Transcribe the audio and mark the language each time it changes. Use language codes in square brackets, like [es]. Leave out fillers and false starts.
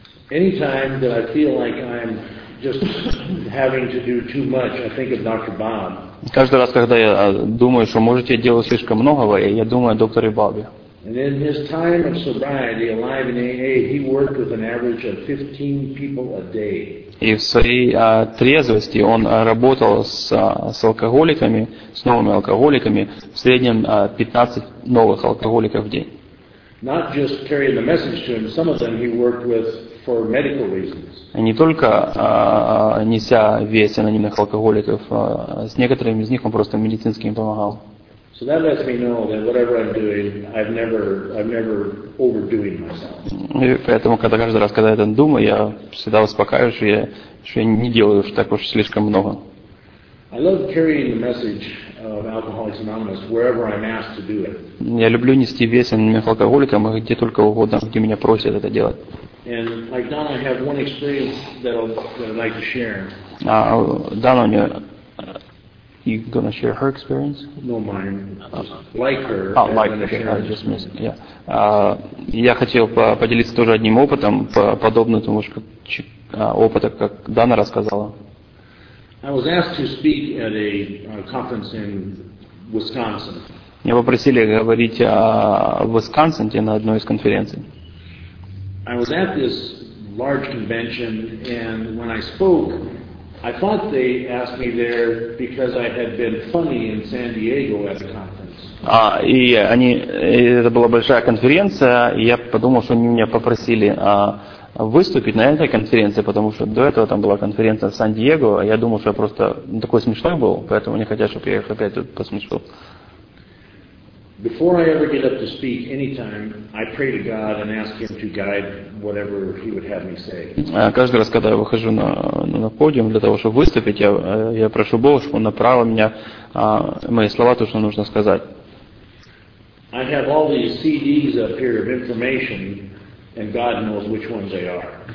[en] Anytime that I feel like I'm just having to do too much, I think of Dr. Bob. [ru] Каждый раз, когда я думаю, что может я делаю слишком многого, я думаю о докторе Бобе. [en] And in his time of sobriety, alive in AA, he worked with an average of 15 people a day. [ru] И в своей трезвости он работал с алкоголиками, с новыми алкоголиками в среднем 15 новых алкоголиков в день. [en] Not just carrying the message to him, some of them he worked with for medical reasons. [ru] Не только неся весть анонимных алкоголиков, с некоторыми из них он просто медицинским помогал. [en] So that lets me know that whatever I'm doing, I've never overdoing myself. [ru] И поэтому, когда каждый раз, когда я это думаю, я всегда успокаиваюсь, что я не делаю уж так уж слишком много. [en] I love carrying the message of Alcoholics Anonymous wherever I'm asked to do it. [ru] Я люблю нести весть анонимных алкоголиков где только угодно, где меня просят это делать. [en] And like Donna, I have one experience that I'd like to share. Donna, you gonna share her experience? No, mine. Like her. Oh, like her. I just missed. Yeah. [ru] Я хотел поделиться тоже одним опытом, подобным тому, что опыта, как Дана рассказала. [en] I was asked to speak at a conference in Wisconsin. [ru] Меня попросили говорить в Висконсине на одной из конференций. [en] I was at this large convention, and when I spoke, I thought they asked me there because I had been funny in San Diego at a conference. [ru] Это была большая конференция, и я подумал, что они меня попросили выступить на этой конференции, потому что до этого там была конференция в Сан-Диего, а я думал, что я просто такой смешной был, поэтому не хотят, чтобы я их опять тут посмешил. [en] Before I ever get up to speak anytime, I pray to God and ask Him to guide whatever He would have me say. [ru] Каждый раз, когда я выхожу на подиум для того, чтобы выступить, я прошу Бога, чтобы Он направил меня, мои слова, то, что нужно сказать. [en] I have all these CDs up here of information, and God knows which ones they are.